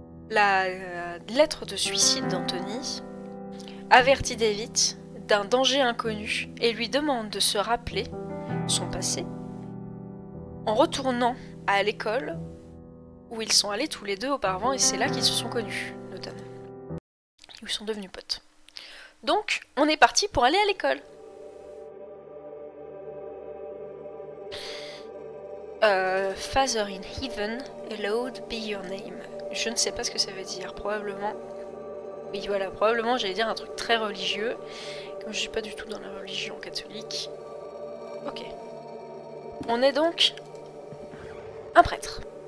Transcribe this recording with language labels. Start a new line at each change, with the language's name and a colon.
French: La lettre de suicide d'Anthony avertit David d'un danger inconnu et lui demande de se rappeler son passé en retournant à l'école où ils sont allés tous les deux auparavant, et c'est là qu'ils se sont connus, notamment. Ils sont devenus potes. Donc, on est parti pour aller à l'école.
English: Father in heaven, hallowed be your name.
French: Je ne sais pas ce que ça veut dire, probablement... Oui, voilà, probablement j'allais dire un truc très religieux. Comme je suis pas du tout dans la religion catholique. Ok. On est donc... un prêtre.